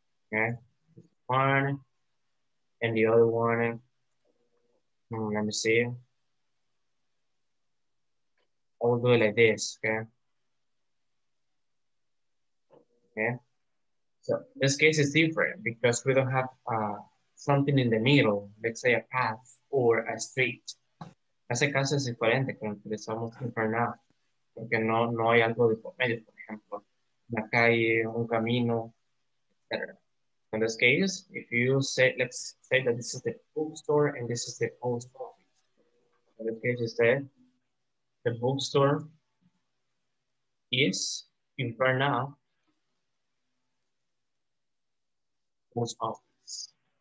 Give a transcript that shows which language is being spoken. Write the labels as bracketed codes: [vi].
[en] Okay. One and the other one. Let me see. I'll do it like this. Okay. Okay. So this case is different because we don't have something in the middle, let's say a path or a street. [es] Ese caso es diferente que utilizamos en front of, porque no hay algo de por medio, por ejemplo, una calle, un camino, etc. [en] In this case, if you say, let's say that this is the bookstore and this is the post office. In this case, you say the bookstore is in front of post office.